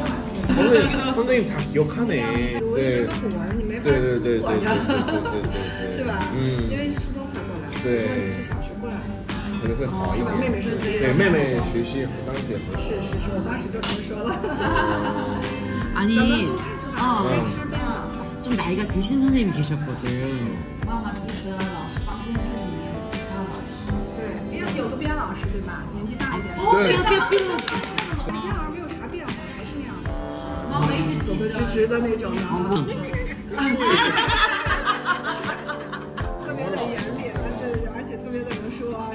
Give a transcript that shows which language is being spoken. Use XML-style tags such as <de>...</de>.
<zh>问题。</zh> <ko>선생님다기억하네。</ko> <zh>对。你没法管着。对对对对。是吧？嗯。因为是初中才过来。对。或者是小学过来。可能会好一点。妹妹是可以。对，妹妹学习当时也很好。是是是，我当时就这么说了。</zh> <ko>아니</ko> <zh>咱们孩子吧，该吃面了。</zh> <ko>좀 나이가 드신 선생님이 계셨거든.</ko> <zh>妈妈记得老师办公室里面有其他老师。对，因为有个编老师对吧？年纪大一点。哦，编老师。编老师没有啥变化，还是那样。妈妈一直记得直直的那种，然后。哈哈哈哈哈哈！特别的严厉，对，而且特别的能说。</zh>